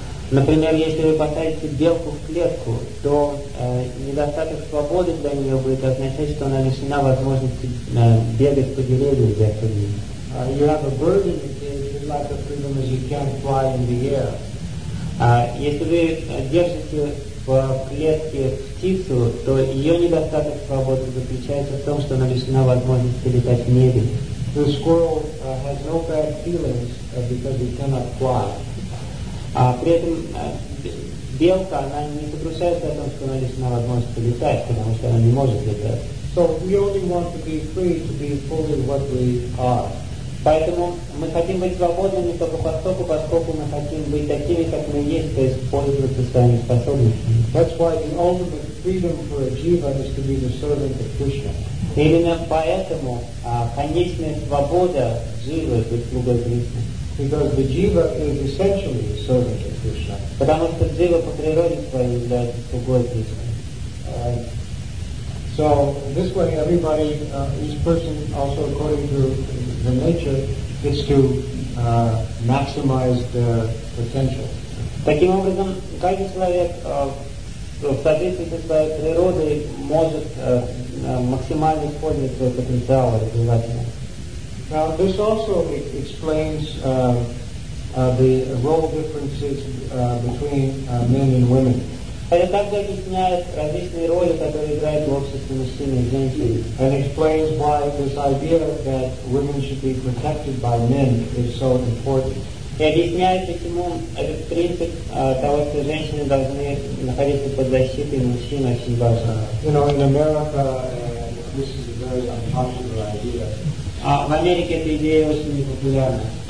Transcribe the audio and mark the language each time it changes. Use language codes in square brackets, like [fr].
[ru] Например, если вы поставите белку в клетку, то недостаток свободы для нее будет означать, что она лишена возможности бегать по деревьям вверх и вниз. [en] You have a bird in the cage, you lack of freedom as you can't fly in the air. [ru] Если вы держите в клетке птицу, то ее недостаток свободы заключается в том, что она лишена возможности летать в небе. [en] The squirrel has no bad feelings because he cannot fly. [ru] При этом белка, она не сокрушается о том, что она лишена возможности летать, потому что она не может летать. [en] So we only want to be free to be fully what we are. [ru] Поэтому мы хотим быть свободными только постольку, поскольку мы хотим быть такими, как мы есть, то есть пользоваться своими способностями. [en] That's why the ultimate freedom for a jiva is to be the servant of Krishna. [ru] Именно поэтому конечная свобода живы быть слугой Кришны. [en] Because the jiva is essentially the servant of Krishna. [ru] Потому что джива по природе своей является слугой Кришны. [en] So this way everybody, each person also according to the nature, gets to maximize their potential. [ru] Таким образом, каждый человек в соответствии со своей природой может максимально использовать свой потенциал развивательный. [en] Now this also explains the role differences between men and women. [ru] Это также объясняет различные роли, которые играют в обществе мужчины и женщины. [en] And explains why this idea that women should be protected by men is so important. [ru] И объясняет, почему этот принцип того, что женщины должны находиться под защитой мужчин, очень важен. [en] You know, in America, this is a very unpopular idea. [ru] В Америке эта идея очень непопулярна.